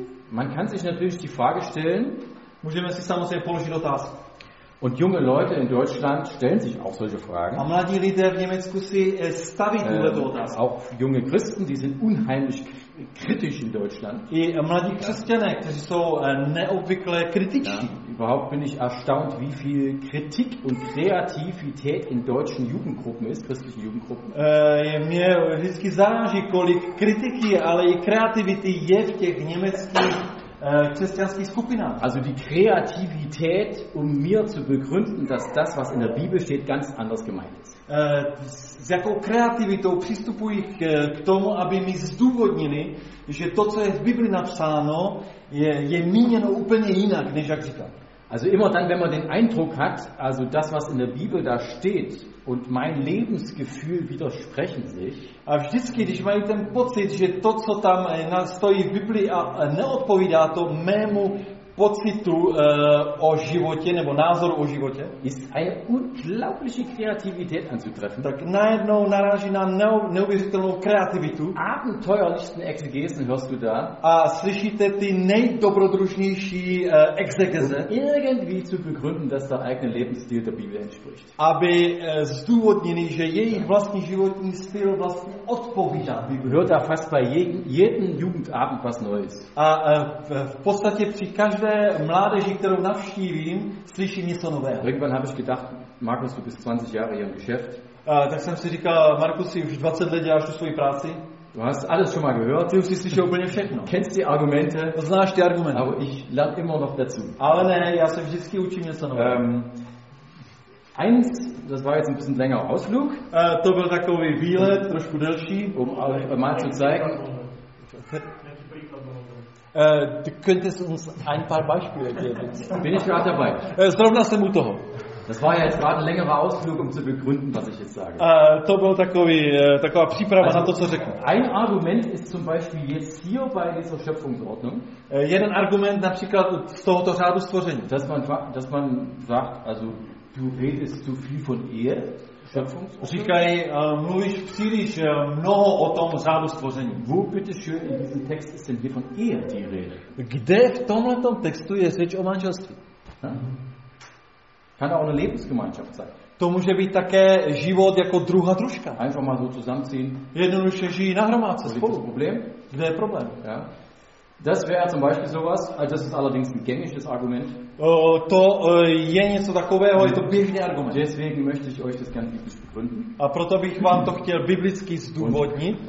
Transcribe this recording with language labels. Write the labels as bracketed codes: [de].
[de] Man kann sich natürlich die Frage stellen, [cs] můžeme si samozřejmě položit otázku. [de] Und junge Leute in Deutschland stellen sich auch solche Fragen. [cs] A mladí lidé v Německu si staví tuto otázku. [de] Auch junge Christen, die sind unheimlich kritisch in Deutschland. [cs] I mladí křesťané, kteří jsou neobvykle kritičtí. [de] Überhaupt bin ich erstaunt, wie viel Kritik und Kreativität in deutschen Jugendgruppen ist, christlichen Jugendgruppen. [cs] Mě vždycky záleží, kolik kritiky, ale i kreativity je v těch německých křesťanských skupinách. [de] Also die Kreativität, um mir zu begründen, dass das, was in der Bibel steht, ganz anders gemeint ist. [cs] S jakou kreativitou přistupují k tomu, aby mi zdůvodnili, že to, co je v Bibli napsáno, je míněno úplně jinak, než jak říká. [de] Also immer dann, wenn man den Eindruck hat, also das, was in der Bibel da steht und mein Lebensgefühl widersprechen sich. [cs] A vždycky, když mají ten pocit, že to, co tam stojí v Biblii a neodpovídá to mému pocitu o životě nebo názoru o životě, [de] ist eine unglaubliche Kreativität anzutreffen. [cs] Tak najednou naráží na neuvěřitelnou kreativitu. [de] Abenteuerlichsten Exegesen hörst du da. [cs] A slyšíte ty nejdobrodružnější exegese. [de] Irgendwie zu begründen, dass der eigene Lebensstil der Bibel entspricht. [cs] Aby zdůvodnili, že jejich vlastní životní styl vlastně odpovídá. [de] Hört da fast bei jedem Jugendabend was Neues. [cs] A v podstatě při každé mládeži, kterou navštívím, slyším něco nového. [de] Irgendwann habe ich gedacht, Markus, du bist 20 Jahre hier im Geschäft. [cs] Tak jsem si říkal, Markus, už 20 let děláš tu svoji práci. [de] Du hast alles schon mal gehört. [cs] Ty už jsi slyšel úplně všechno. [de] Kennst die Argumente? [cs] Znáš ty argumenty. [de] Aber ich lerne immer noch dazu. [cs] Ale ne, já se vždycky učím něco nového. [de] Eins, das war jetzt ein bisschen länger Ausflug. [cs] To byl takový výlet, trošku delší. [de] Mal zu zeigen. Du könntest uns ein paar Beispiele geben. Bin ich gerade dabei. [cs] Zrovna jsem u toho. [de] Das war ja jetzt gerade ein längerer Ausflug, um zu begründen, was ich jetzt sage. [cs] To byl taková příprava also, na to, co řeknu. [de] Ein Argument ist zum Beispiel jetzt hier bei dieser Schöpfungsordnung. [cs] Jeden Argument například z tohoto řádu stvoření. [de] Dass man sagt, also du redest zu viel von Ehe. [cs] Říkají, mluvíš příliš mnoho o tom řádu stvoření. [de] Wo bitte schön in diesem Text ist denn hier von Ehe die Rede? [cs] Kde v tomhletom textu je řeč o manželství? [de] Kann auch eine Lebensgemeinschaft sein. [cs] To může být také život jako druhá družka. [de] Einfach mal so zusammenziehen. [cs] Jednoduše žijí na hromádce spolu. [de] Problem? [cs] Kde je problém? [de] Ja. Das wäre zum Beispiel sowas, also das ist allerdings ein gängiges Argument. [cs] Je něco takového, je to běžný argument. [de] Deswegen möchte ich euch das gerne biblisch begründen. [cs] A proto bych vám to chtěl biblicky zdůvodnit.